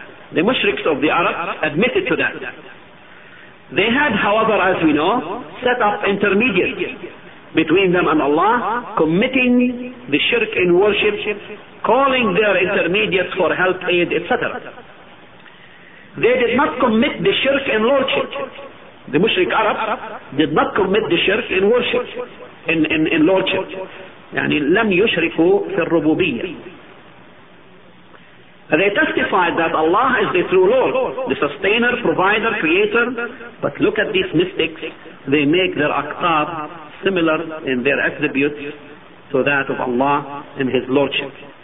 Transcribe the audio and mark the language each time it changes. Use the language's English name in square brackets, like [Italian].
[English] The mushriks of the Arabs admitted to that. They had, however, as we know, set up intermediates between them and Allah, committing the shirk in worship, calling their intermediates for help, aid, etc. They did not commit the shirk in lordship. The mushrik Arabs did not commit the shirk in worship, in lordship. [Arabic] يعني لم يشركوا في الربوبية. [English] They testified that Allah is the true Lord, the sustainer, provider, creator. But look at these mystics. They make their aqtab similar in their attributes to that of Allah in His lordship.